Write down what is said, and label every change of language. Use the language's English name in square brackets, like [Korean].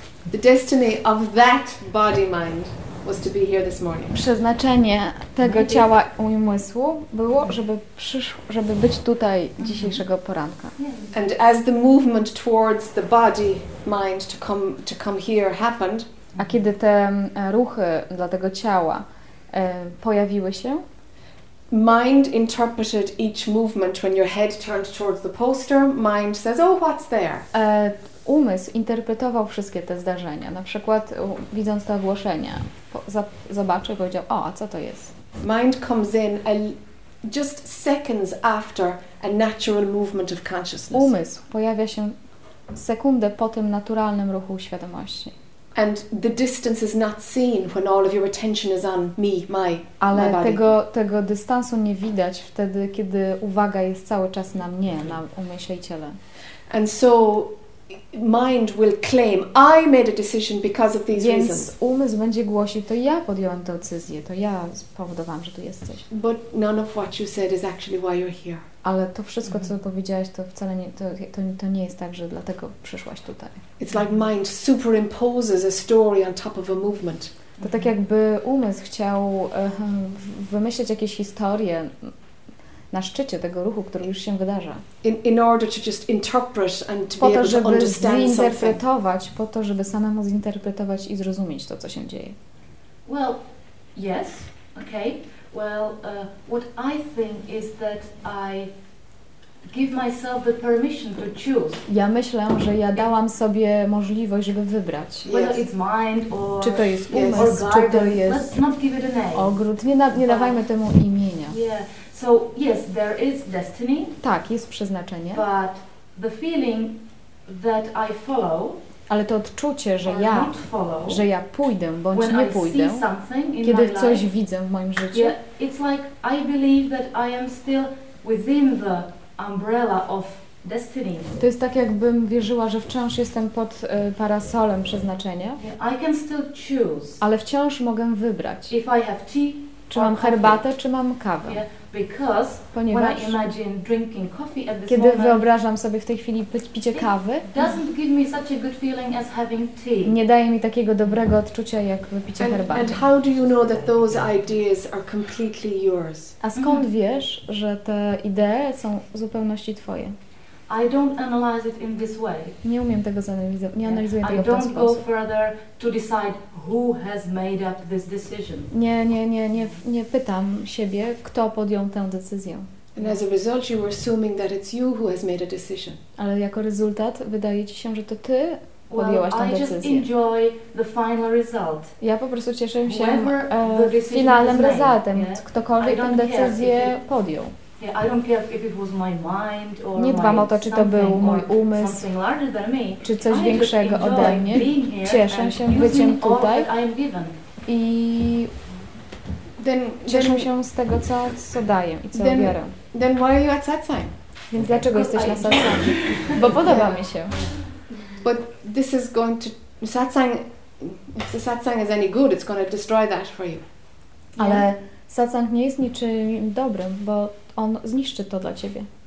[English] The destiny of that body mind was to be here this morning. [Polish] Przeznaczenie tego ciała i umysłu było, żeby być tutaj dzisiejszego poranka. [English] And as the movement towards the body mind to come here happened. [Polish] A kiedy te ruchy dla tego ciała pojawiły się. [English] Mind interpreted each movement when your head turned towards the poster. Mind says, "Oh, what's there?" [Polish] Umysł interpretował wszystkie te zdarzenia. Na przykład, widząc to ogłoszenie, zobaczył, powiedział, "O, a co to jest?" [English] Mind comes in just seconds after a natural movement of consciousness. [Polish] Umysł pojawia się sekundę po tym naturalnym ruchu świadomości. [English] And the distance is not seen when all of your attention is on me, my body. [Polish] Ale tego dystansu nie widać wtedy, kiedy uwaga jest cały czas na mnie, na umyśle i ciele. [English] And so mind will claim I made a decision because of these reasons. [Polish] Więc umysł będzie głosił, to ja podjąłem tę decyzję, to ja spowodowałam, że tu jesteś. [English] But none of what you said is actually why you're here. [Polish] Ale to wszystko, co powiedziałaś, to wcale nie, to nie jest tak, że dlatego przyszłaś tutaj. [English] It's like mind superimposes a story on top of a movement. [Polish] To tak jakby umysł chciał wymyślić jakieś historie na szczycie tego ruchu, który już się wydarza. [English] In order to just interpret and to be able to understand something. [Polish] Po to, żeby zinterpretować, po to, żeby samemu zinterpretować i zrozumieć to, co się dzieje. [English] Well, yes, okay. Well, what I think is that I give myself the permission to choose. [Polish] Ja myślę, że ja dałam sobie możliwość, żeby wybrać. [English] Whether it's mind or [Polish] czy to jest umysł, [English] or [Polish] czy to jest [English] let's not give it a name. [Polish] Ogród. Nie dawajmy temu imienia. [English] Yeah. So yes, there is destiny. [Polish] Tak, jest przeznaczenie. [English] But the feeling that I follow. [Polish] Ale to odczucie, że ja, [English] follow, [Polish] że ja pójdę, bądź nie pójdę, kiedy coś [English] life, [Polish] widzę w moim życiu. [English] Yeah, it's like I believe that I am still within the umbrella of destiny. [Polish] To jest tak, jakbym wierzyła, że wciąż jestem pod parasolem przeznaczenia. [English] Yeah, I can still choose. [Polish] Ale wciąż mogę wybrać. [English] If I have tea [Polish] czy mam herbatę, czy mam kawę. [English] Because [Polish] ponieważ [English] when I imagine drinking coffee at this [Polish] kiedy [English] moment, [Polish] wyobrażam sobie w tej chwili picie kawy, [English] doesn't give me such a good feeling as having tea. [Polish] Nie daje mi takiego dobrego odczucia jak wypicie herbaty. [English] And how do you know that those ideas are completely yours? [Polish] A skąd wiesz, że te idee są w zupełności twoje? [English] I don't analyze it in this way. [Polish] Nie umiem tego zanalizować. Nie analizuję tego w ten sposób. [English] I don't go further to decide who has made up this decision. [Polish] Nie pytam siebie, kto podjął tę decyzję. [English] And as a result, you were assuming that it's you who has made a decision. [Polish] Ale jako rezultat wydaje ci się, że to ty podjęłaś tę decyzję. [English] Well, I just enjoy the final result. [Polish] Ja po prostu cieszę się finalnym rezultatem, ktokolwiek tę decyzję podjął. [English] Yeah, I don't care if it was my mind or [Polish] nie dbam o to, czy to był mój umysł, czy coś większego ode mnie. Cieszę się byciem tutaj i cieszę się z tego, co daję i co biorę. [English] Then why are you at satsang? [Polish] Więc dlaczego jesteś na satsang? Bo podoba mi się. [English] But this is going to satsang. If the satsang is any good, it's going to destroy that for you. [Polish] Ale satsang nie jest niczym dobrym, bo on zniszczy to dla ciebie.